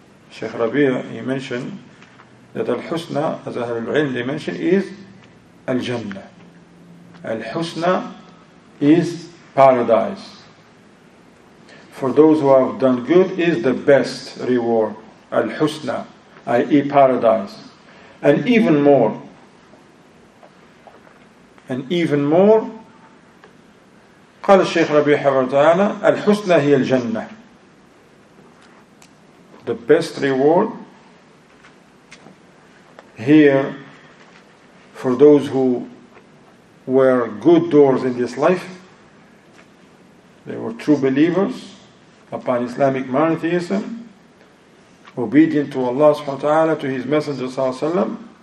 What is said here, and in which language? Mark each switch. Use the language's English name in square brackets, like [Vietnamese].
[English] Sheikh Rabi'a, he mentioned that al-husna, as Ahl al-Ilm, they mentioned, is al-jannah. Al-husna is paradise. For those who have done good is the best reward, al-husna. I.e. paradise. And even more, [Arabic] قال الشيخ ربيع حفظه تعالى الحسنى هي الجنة. [English] the best reward here for those who were good doers in this life. They were true believers upon Islamic monotheism, obedient to Allah subhanahu wa ta'ala, to His Messenger sallallahu alayhi wa.